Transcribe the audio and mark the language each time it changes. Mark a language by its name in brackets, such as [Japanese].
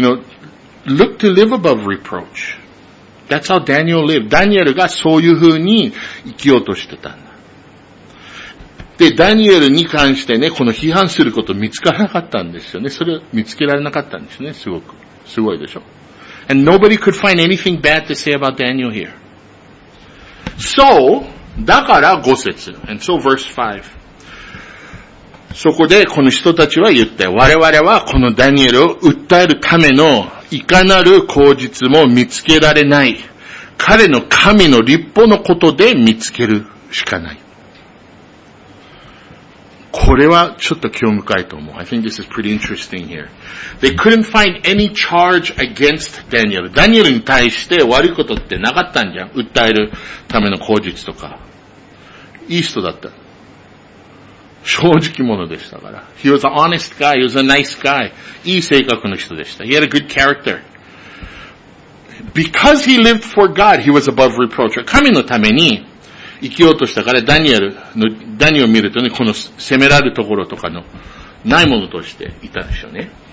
[English] You know, look to live above reproach. That's how Daniel lived. [Japanese] ダニエルがそういう風に生きようとしてたんだ。で、ダニエルに関してね、この批判すること見つからなかったんですよね。それを見つけられなかったんですね。すごく。すごいでしょ。 [English] And nobody could find anything bad to say about Daniel here. So, [Japanese] だから5節。 [English] And so verse 5. [Japanese] そこでこの人たちは言って、我々はこのダニエルを訴えるためのいかなる口実も見つけられない。彼の神の律法のことで見つけるしかない。これはちょっと興味深いと思う。 [English] I think this is pretty interesting here. They couldn't find any charge against Daniel. [Japanese] ダニエルに対して悪いことってなかったんじゃん。訴えるための口実とか。いい人だった。正直者でしたから。 [English] He was an honest guy. He was a nice guy. [Japanese] いい性格の人でした。 [English] He had a good character. Because he lived for God, he was above reproach. [Japanese] 神のために生きようとしたから、ダニエルを見るとね、この責められるところとかのないものとしていたんでしょうね。